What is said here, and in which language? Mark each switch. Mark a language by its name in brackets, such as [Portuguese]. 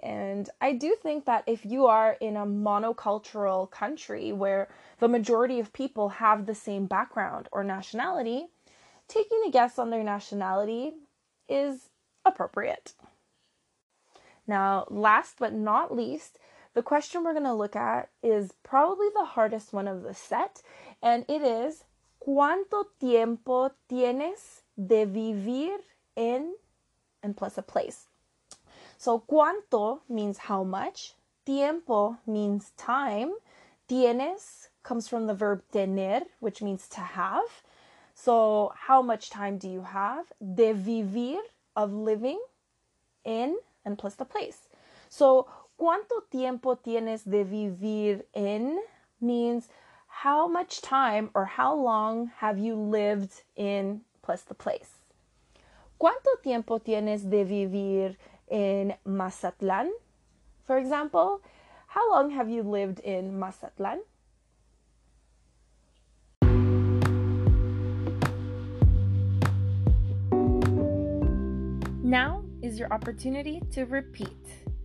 [English] And I do think that if you are in a monocultural country where the majority of people have the same background or nationality, taking a guess on their nationality is appropriate. Now, last but not least, the question we're going to look at is probably the hardest one of the set. And it is, [Spanish] ¿cuánto tiempo tienes de vivir en, [English] and plus a place? So cuánto means how much, tiempo means time, tienes comes from the verb tener, which means to have. So how much time do you have, [Spanish] de vivir, [English] of living, en, and plus the place. So [Spanish] cuánto tiempo tienes de vivir en [English] means how much time or how long have you lived in plus the place. [Spanish] ¿Cuánto tiempo tienes de vivir en Mazatlán? [English] For example, how long have you lived in Mazatlán? Now is your opportunity to repeat.